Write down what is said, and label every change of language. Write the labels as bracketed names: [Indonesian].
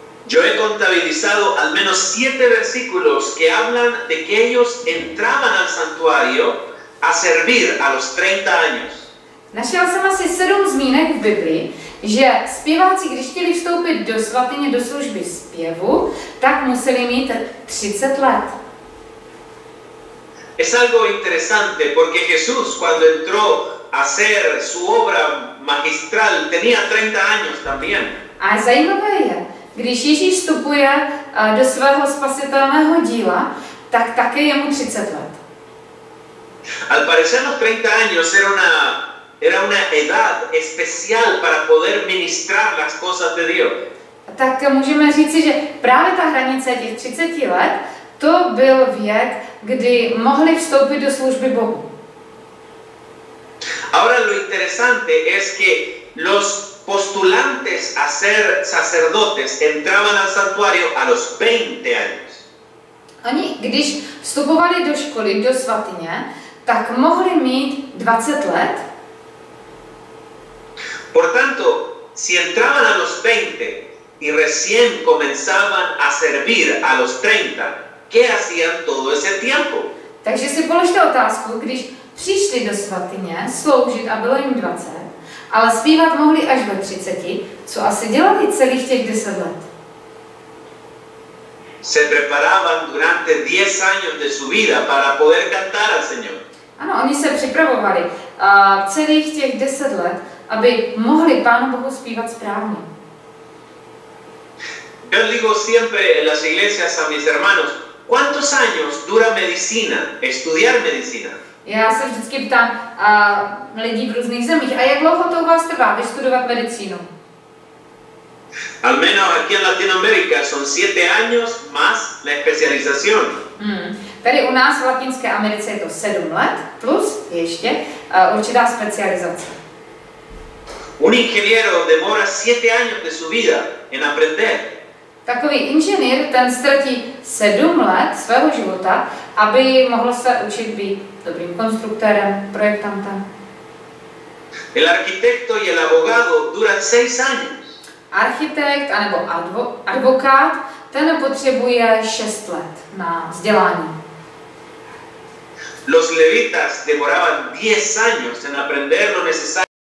[Spanish] Yo he contabilizado al menos 7 versículos que hablan de que ellos entraban al santuario a servir a los 30 años. [Czech] Našel jsem asi 7 zmínek v Biblii, že zpěváci, když chtěli vstoupit do svatyně do služby zpěvu, tak museli mít 30 let. [Spanish] Es algo interesante porque Jesús cuando entró a hacer su obra magistral tenía 30 años también. [Czech] A zajímavé je, když Ježíš vstupuje do svého spasitelného díla, tak také je mu 30 let. [Spanish] Al parecer los 30 años era una edad especial para poder ministrar las cosas de Dios. [Czech] Tak můžeme říci, že právě ta hranice těch 30 let, to byl věk, kdy mohli vstoupit do služby Bohu. [Spanish] Ahora lo interesante es que los postulantes a ser sacerdotes entraban al santuario a los 20 años. [Czech] Oni, když vstupovali do školy, do svatyně, tak mohli mít 20 let. [Spanish] Por tanto, si entraban a los 20 y recién comenzaban a servir a los 30, ¿qué hacían todo ese tiempo? [Czech] Takže si položte otázku, když přišli do svatyně sloužit a bylo jim 20, ale zpívat mohli až ve 30, co asi dělali celých těch 10 let? [Spanish] Se preparaban durante 10 años de su vida para poder cantar al Señor. [Czech] Ano, oni se připravovali celých těch 10 let, aby mohli Pánu Bohu zpívat správně. [Spanish] Yo digo siempre en las iglesias a mis hermanos, ¿cuántos años dura medicina, estudiar medicina? [Czech] Já se vždycky ptám lidí v různých zemích, a jak dlouho to u vás trvá vystudovat medicínu? [Spanish] Al menos aquí en Latinoamérica son 7 años más [Czech] na specializaci. Tady u nás v Latinské Americe je to 7 let plus ještě určitá specializace. [Spanish] Un ingeniero demora 7 años de su vida en aprender. [Czech] Takový inženýr, ten ztratí 7 let svého života, aby mohl se učit být dobrým konstruktorem, projektantem. [Spanish] El arquitecto y el abogado dura 6 años. [Czech] Architekt anebo advokát, ten potřebuje 6 let na vzdělání. [Spanish] Los levitas demoraban 10 años en aprender lo necesario.